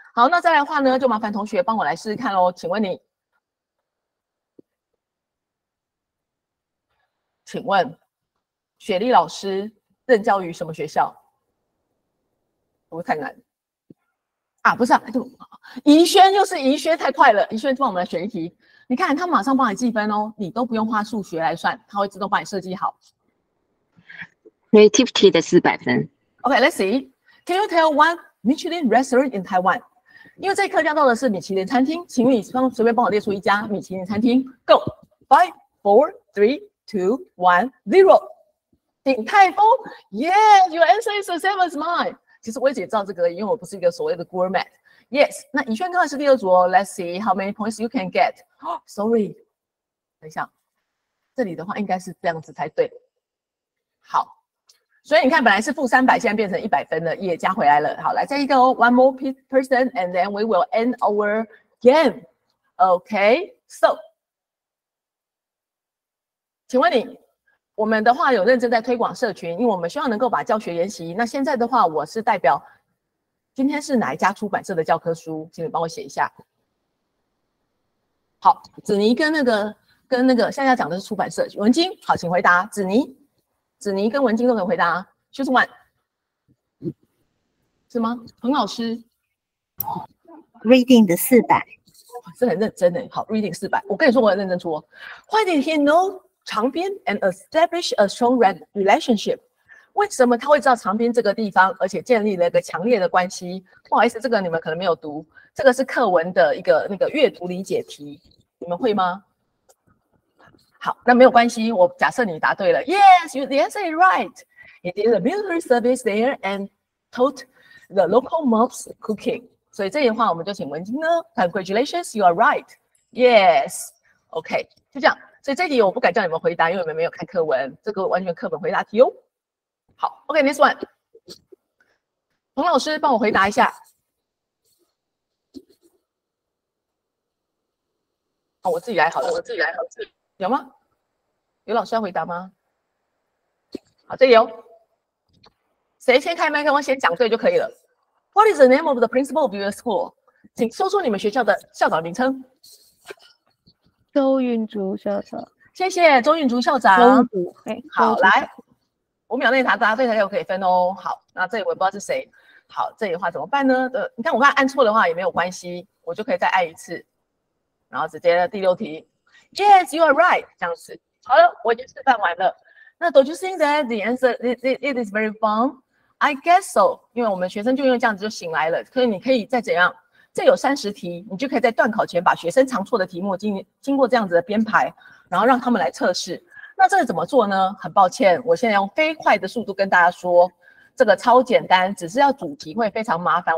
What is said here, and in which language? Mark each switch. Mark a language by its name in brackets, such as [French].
[Chinese] 好，那再来的话呢，就麻烦同学帮我来试试看喽。请问你，请问雪莉老师任教于什么学校？不会太难啊？不是啊，宜萱又是宜萱，太快了。宜萱，帮我们来选一题。你看，他马上帮你计分哦，你都不用花数学来算，他会自动帮你设计好。 Creativity 的400分。 [English] OK, let's see. Can you tell one Michelin restaurant in Taiwan? [Chinese] 因为这一课教到的是米其林餐厅，请你随便帮我列出一家米其林餐厅。 [English] Go! 5, 4, 3, 2, 1, 0. 鼎泰丰 Yeah, your answer is the same as mine. [Chinese] 其实我也只知道这个，因为我不是一个所谓的 gourmet. Yes, 那宜萱刚才是第二组哦。 [English] Let's see how many points you can get.、Sorry. [Chinese] 等一下，这里的话应该是这样子才对。好。所以你看，本来是负300，现在变成100分了，也加回来了。好，来再一个哦 [English] ，one more person， and then we will end our game。 [Chinese] OK， so， 请问你，我们的话有认真在推广社群，因为我们希望能够把教学研习。那现在的话，我是代表，今天是哪一家出版社的教科书？请你帮我写一下。好，子妮跟那个现在要讲的是出版社文晶。好，请回答子妮。子妮跟文晶都可以回答 ， [English] Choose one， [Chinese] 是吗？彭老师，Reading 的四百，是很认真的。好 ，Reading 四百，我跟你说，我很认真出哦。 [English] Why did he know 长篇 and establish a strong relationship？ [Chinese] 为什么他会知道长滨这个地方，而且建立了一个强烈的关系？不好意思，这个你们可能没有读，这个是课文的一个那个阅读理解题，你们会吗？好，那没有关系，我假设你答对了。 [English] Yes, you, the answer is right. He did the military service there and taught the local mobs cooking. [Chinese] 所以这句话我们就请文晶呢。 [English] Congratulations, you are right. Yes. OK, [Chinese] 就这样。所以这题我不敢叫你们回答，因为你们没有看课文，这个完全课本回答题哦。好 ， [English] OK, next one. [Chinese] 彭老师帮我回答一下。好，我自己来好了，我自己来好了。有吗？有老师要回答吗？好，这里有。谁先开麦克风，先讲对就可以了。 [English] What is the name of the principal of your school？ [Chinese] 请说出你们学校的校长名称。周韵竹校长。谢谢周韵竹校长。周韵竹，好，来，五秒内答，答对才有可以分哦。好，那这里我不知道是谁。好，这里的话怎么办呢？你看我刚按错的话也没有关系，我就可以再按一次，然后直接第六题。 [English] Yes, you are right. [Chinese] 这样子，好了，我已经示范完了。 [English] 那 Don't you think that the answer it is very fun? I guess so. [Chinese] 因为我们学生就因为这样子就醒来了。可是你可以再怎样？这有三十题，你就可以在段考前把学生常错的题目经过这样子的编排，然后让他们来测试。那这个怎么做呢？很抱歉，我现在用飞快的速度跟大家说，这个超简单，只是要主题会非常麻烦。